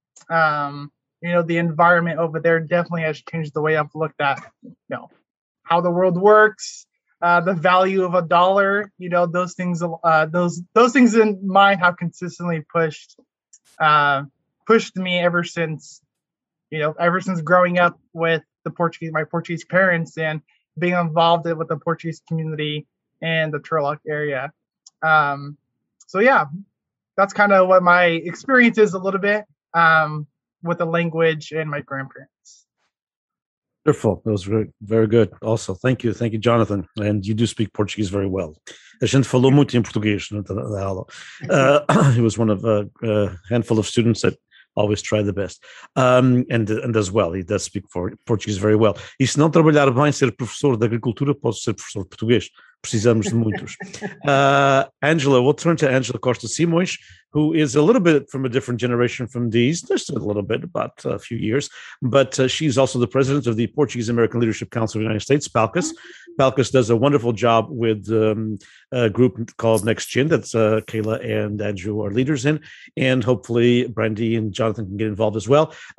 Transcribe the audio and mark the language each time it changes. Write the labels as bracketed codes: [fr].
[en] you know, the environment over there definitely has changed the way I've looked at, you know, how the world works, the value of a dollar, you know, those things in mind have consistently pushed me ever since, you know, ever since growing up with my Portuguese parents and being involved with the Portuguese community in the Turlock area. So yeah, that's kind of what my experience is a little bit with the language and my grandparents. Wonderful. That was very, very good. Also, thank you. Thank you, Jonathan. And you do speak Portuguese very well. [pt] A gente falou muito em português na aula. [en] He was one of a handful of students that always try the best. And as well, he does speak Portuguese very well. [pt] E se não trabalhar bem, ser professor de agricultura, posso ser professor de português. Precisamos de muitos. [en] Angela, we'll turn to Angela Costa Simões, who is a little bit from a different generation from these, just a little bit, about a few years, but she's also the president of the Portuguese American Leadership Council of the United States, PALCAS. PALCAS does a wonderful job with a group called Next Gen that Kayla and Andrew are leaders in, and hopefully Brandy and Jonathan can get involved as well.